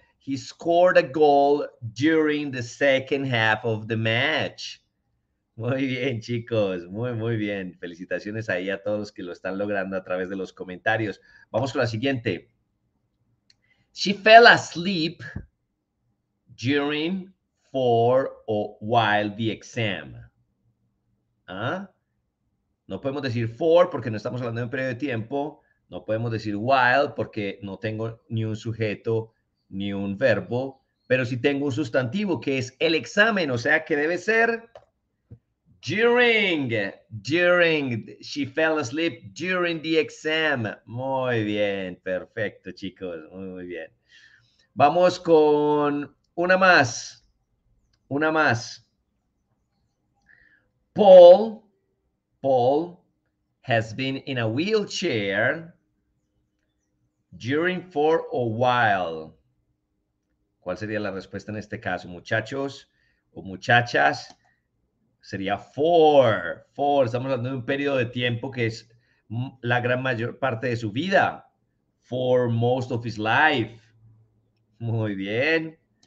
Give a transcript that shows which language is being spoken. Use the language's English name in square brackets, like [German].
[English] He scored a goal during the second half of the match. [Spanish] Muy bien, chicos. Muy, muy bien. Felicitaciones ahí a todos los que lo están logrando a través de los comentarios. Vamos con la siguiente. [English] She fell asleep during, for, o while the exam. ¿Ah? [Spanish] No podemos decir for porque no estamos hablando de un periodo de tiempo. No podemos decir while porque no tengo ni un sujeto ni un verbo. Pero sí tengo un sustantivo que es el examen. O sea que debe ser during. [English] During. She fell asleep during the exam. [Spanish] Muy bien. Perfecto, chicos. Muy, muy bien. Vamos con una más. Una más. [English] Paul has been in a wheelchair during for a while. [Spanish] ¿Cuál sería la respuesta en este caso, muchachos o muchachas? Sería for. For. Estamos hablando de un periodo de tiempo que es la gran mayor parte de su vida. [English] For most of his life. [Spanish] Muy bien.